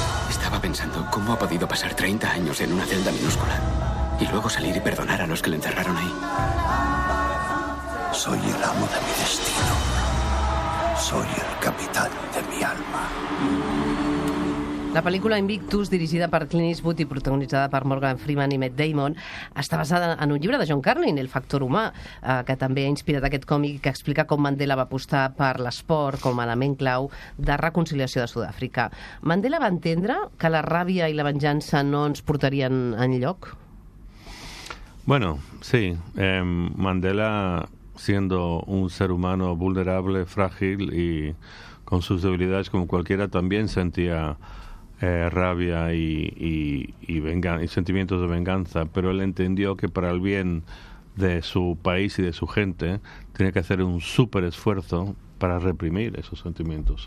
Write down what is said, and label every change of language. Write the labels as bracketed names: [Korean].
[Spanish] Estaba pensando cómo ha podido pasar 30 años en una celda minúscula y luego salir y perdonar a los que le encerraron ahí. Soy el amo de mi destino. Soy el capitán de mi alma. [Catalan] La pel·lícula Invictus, dirigida per Clint Eastwood i protagonitzada per Morgan Freeman i Matt Damon, està basada en un llibre de John Carlin, El factor humà, que també ha inspirat aquest còmic, que explica com Mandela va apostar per l'esport com a element clau de reconciliació de Sud-àfrica. Mandela va entendre que la ràbia i la venjança no ens portarien enlloc? [Spanish] Bueno, sí. Mandela, siendo un ser humano vulnerable, frágil y con sus debilidades como cualquiera, también sentía rabia y sentimientos de venganza, pero él entendió que para el bien de su país y de su gente tenía que hacer un súper esfuerzo para reprimir esos sentimientos.